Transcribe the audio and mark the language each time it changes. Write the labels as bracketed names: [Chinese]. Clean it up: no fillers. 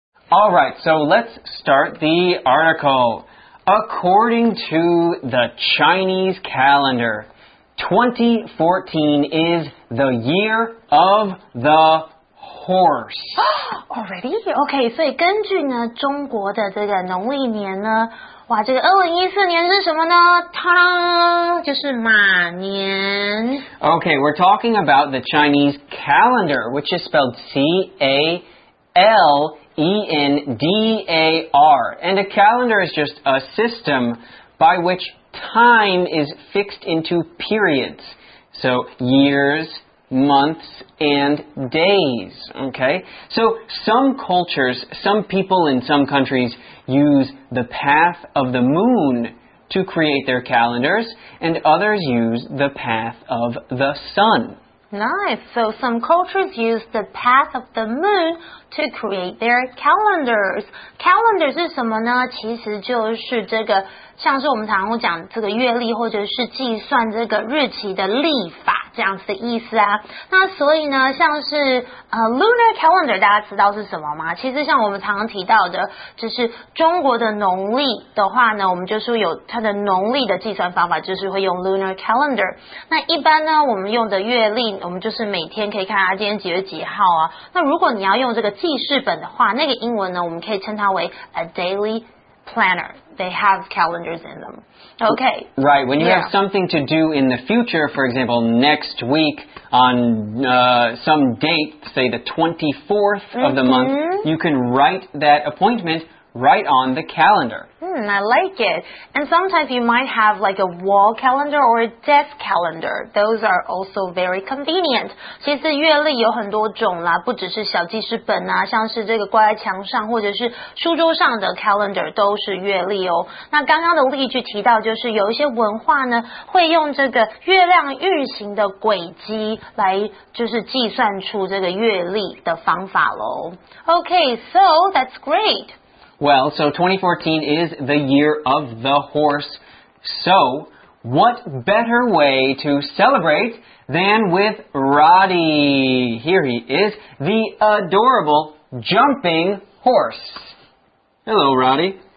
[English] All right, so let's start the article. According to the Chinese calendar, 2014 is the year of the horse. Already? [Chinese] Okay, 所以根据呢中国的这个农历年呢，哇，这个2014年是什么呢？就是马年。 [English] Okay, we're talking about the Chinese calendar, which is spelled C-A-L-E-N-D-A-R. And a calendar is just a system by which time is fixed into periods. So, years... months and days. Okay, so some cultures, some people in some countries use the path of the moon to create their calendars, and others use the path of the sun. Nice. So some cultures use the path of the moon to create their calendars. [Chinese] Calendar 是什么呢？其实就是这个，像是我们常常讲这个月历或者是计算这个日期的历法这样子的意思啊。那所以呢，像是lunar calendar 大家知道是什么吗？其实像我们常常提到的，就是中国的农历的话呢，我们就是有它的农历的计算方法，就是会用 lunar calendar。那一般呢，我们用的月历，我们就是每天可以看它今天几月几号啊。那如果你要用这个记事本的话，那个英文呢，我们可以称它为 [English] a daily planner。 They have calendars in them. Okay. Right. When you have something to do in the future, for example, next week on some date, say the 24th of the month, you can write that appointment right on the calendar. I like it. And sometimes you might have like a wall calendar or a desk calendar. Those are also very convenient. [Chinese] 其实月历有很多种啦，不只是小记事本啊，像是这个挂在墙上或者是书桌上的 calendar 都是月历哦。那刚刚的例句提到就是有一些文化呢会用这个月亮运行的轨迹来就是计算出这个月历的方法咯。 [English] Okay, so that's great. Well, so 2014 is the year of the horse. So, what better way to celebrate than with Roddy? Here he is, the adorable jumping horse. Hello, Roddy.